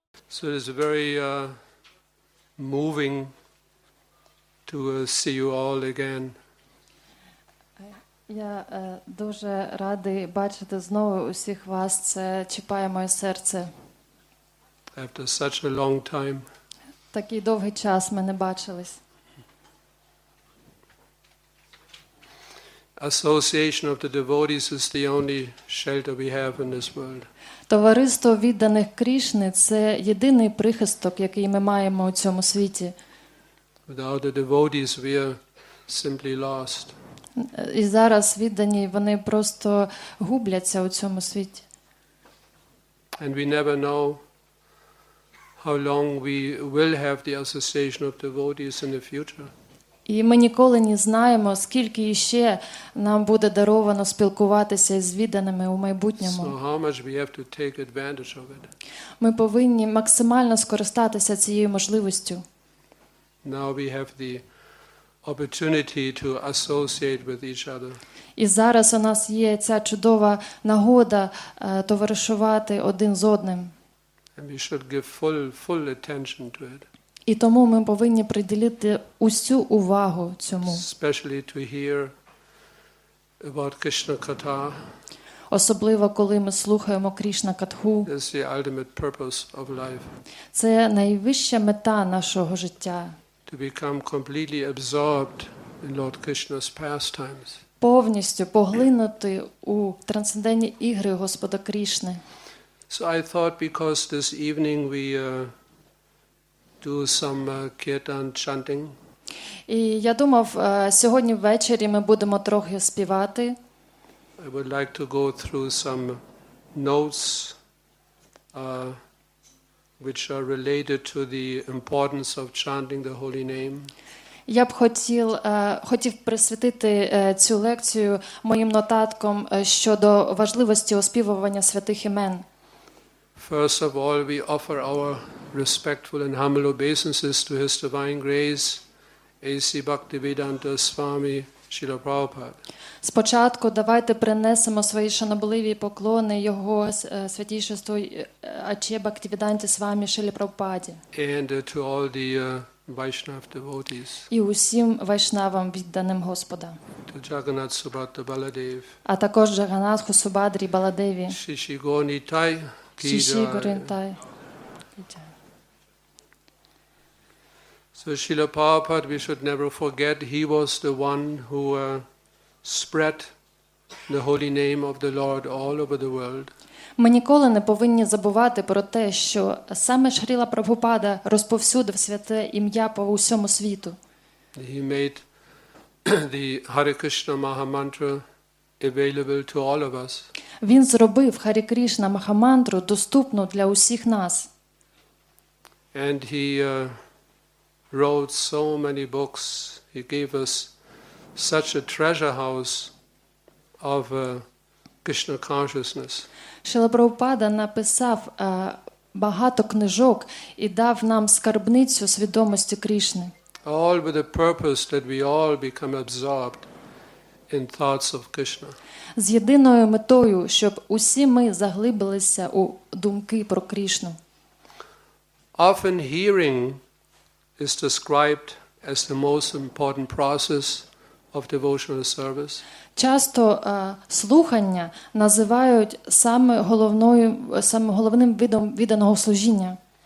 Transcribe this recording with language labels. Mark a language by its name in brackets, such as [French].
[English] So it is a very moving to see you all again. [Ukrainian] Я дуже радий бачити знову усіх вас. Це чіпає моє серце. [English] After such a long time. [Ukrainian] Такий довгий час ми не бачились. [English] Association of the devotees is the only shelter we have in this world. [Ukrainian] Товариство відданих Крішни – це єдиний прихисток, який ми маємо у цьому світі. [English] Without the devotees, we are simply lost. [Ukrainian] І зараз віддані, вони просто губляться у цьому світі. [English] And we never know how long we will have the association of devotees in the future. [Ukrainian] І ми ніколи не знаємо, скільки ще нам буде даровано спілкуватися з відданими у майбутньому. [English] So how much we have to take advantage of it. [Ukrainian] Ми повинні максимально скористатися цією можливістю. [English] Now we have the opportunity to associate with each other. [Ukrainian] І зараз у нас є ця чудова нагода товаришувати один з одним. [English] And we should give full attention to it. [Ukrainian] І тому ми повинні приділити усю увагу цьому. [English] Especially to hear about Krishna Katha. [Ukrainian] Особливо коли ми слухаємо Кришна Катху. [English] This is the ultimate purpose of life. [Ukrainian] Це найвища мета нашого життя. [English] To become completely absorbed in Lord Krishna's pastimes. [Ukrainian] Повністю поглинути у трансцендентні ігри Господа Кришни. [English] So I thought because this evening we do some kirtan chanting. [Ukrainian] І я думав, сьогодні ввечері ми будемо трохи співати. [English] I would like to go through some notes which are related to the importance of chanting the holy name. [Ukrainian] Я б хотів присвятити цю лекцію моїм нотаткам щодо важливості оспівування святих імен. [English] First of all, we offer our respectful and humble obeisances to His Divine Grace, A.C. Bhaktivedanta Swami Srila Prabhupada. [Ukrainian] Спочатку давайте принесемо свої шанобливі поклони Його святійшеству Аче Бхактивіданті Свамі Шрілі Прабхупаді. [English] And to all the Vaishnav devotees. [Ukrainian] І усім вайшнавам відданим Господа. [English] To Jagannath Subhadra Baladev. [Ukrainian] А також Джаганатху Субадрі Баладеві. Шиші Гоні Тай. Шиші Горінтай. [English] So Srila Prabhupada, we should never forget, he was the one who spread the holy name of the Lord all over the world. [Ukrainian] Ми ніколи не повинні забувати про те, що саме Шріла Прабхупада розповсюдив святе ім'я по усьому світу. [English] He made the Hare Krishna Mahamantra available to all of us. [Ukrainian] Він зробив Харе Кришна Махамантру доступну для усіх нас. [English] And he wrote so many books. He gave us such a treasure house of Krishna consciousness. [Ukrainian] Шріла Прабхупада написав багато книжок і дав нам скарбницю свідомості Кришни. [English] All with the purpose that we all become absorbed in thoughts of Krishna. [Ukrainian] З єдиною метою, щоб усі ми заглибилися у думки про Кришну. [English] Often hearing is described as the most important process of devotional service. [Ukrainian] Часто слухання називають самим головним видом відданого служіння.